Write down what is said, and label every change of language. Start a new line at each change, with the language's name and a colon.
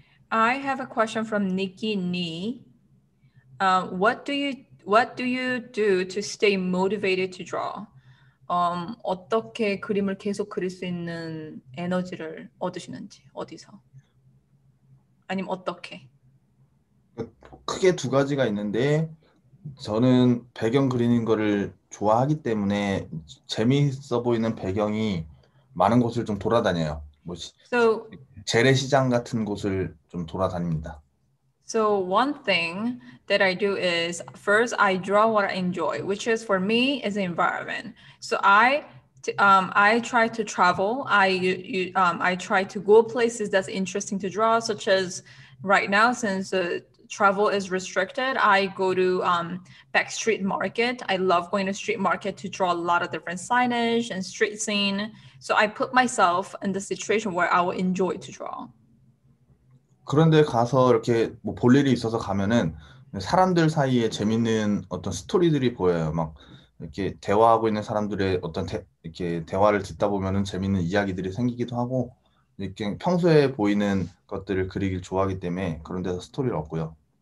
English: I have a question from Nikki Ni. What do you do to stay motivated to draw?
Korean: 어떻게 그림을 계속 그릴 수 있는 에너지를 얻으시는지 어디서? 아니면 어떻게? 크게 두 가지가 있는데 저는 배경 그리는 거를 좋아하기 때문에 재미있어 보이는 배경이 많은 곳을 좀 돌아다녀요. 재래시장 같은 곳을 좀 돌아다닙니다.
English: So one thing that I do is first I draw what I enjoy, which is for me is the environment. So I try to travel. I try to go places that's interesting to draw, such as right now since travel is restricted, I go to back street market. I love going to street market to draw a lot of different signage and street scene. So I put myself in the situation where I will enjoy to draw.
Korean: 그런데 가서 이렇게 뭐 볼 일이 있어서 가면은 사람들 사이에 재밌는 어떤 스토리들이 보여요. 막 이렇게 대화하고 있는 사람들의 어떤 이렇게 대화를 듣다 보면은 재밌는 이야기들이 생기기도 하고 이렇게 평소에 보이는 것들을 그리길 좋아하기 때문에 그런 데서 스토리를 얻고요.